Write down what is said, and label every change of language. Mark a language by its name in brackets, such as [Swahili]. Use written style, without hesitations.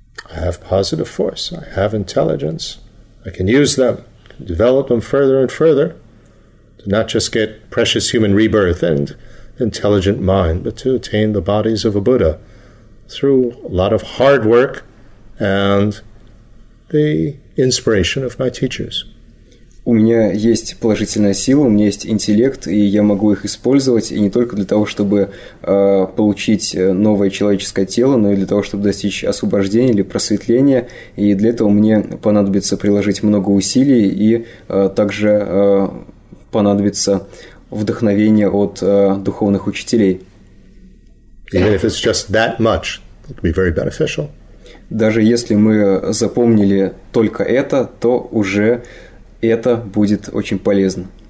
[English] I have positive force, I have intelligence, I can use them, can develop them further and further, to not just get precious human rebirth and intelligent mind, but to attain the bodies of a Buddha through a lot of hard work and the inspiration of my teachers. [Russian] У меня есть положительная сила, у меня есть интеллект, и я могу их использовать, и не только для того, чтобы получить новое человеческое тело, но и для того, чтобы достичь освобождения или просветления. И для этого мне понадобится приложить много усилий, и также понадобится вдохновение от духовных учителей. [English] Even if it's just that much, it could be very beneficial. [Russian] Даже если мы запомнили только это, то уже... Это будет очень полезно.